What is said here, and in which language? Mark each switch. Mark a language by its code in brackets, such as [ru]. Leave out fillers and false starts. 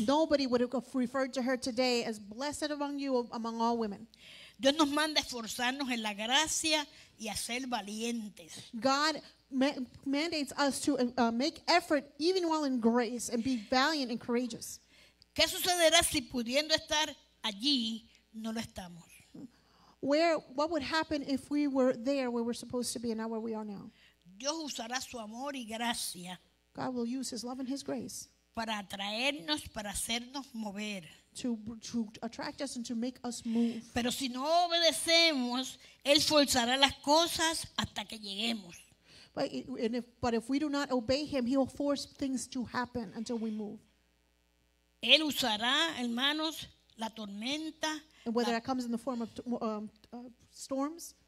[en] Nobody would have referred to her today as blessed among you among all women. [es] Dios nos manda esforzarnos en la gracia y a ser valientes. [en] God mandates us to make effort even while in grace and be valiant and courageous. [es] ¿Qué sucederá si pudiendo estar allí no lo estamos? [en] What would happen if we were there where we're supposed to be and not where we are now? [es] Dios usará su amor y gracia. [en] God will use his love and his grace. [es] Para atraernos, para hacernos mover. [en] To attract us and to make us move. [es] Pero si no obedecemos, Él forzará las cosas hasta que lleguemos. [en] But if we do not obey Him, He will force things to happen until we move. [es] Él usará, hermanos, la tormenta. [en] And whether that comes in the form of storms.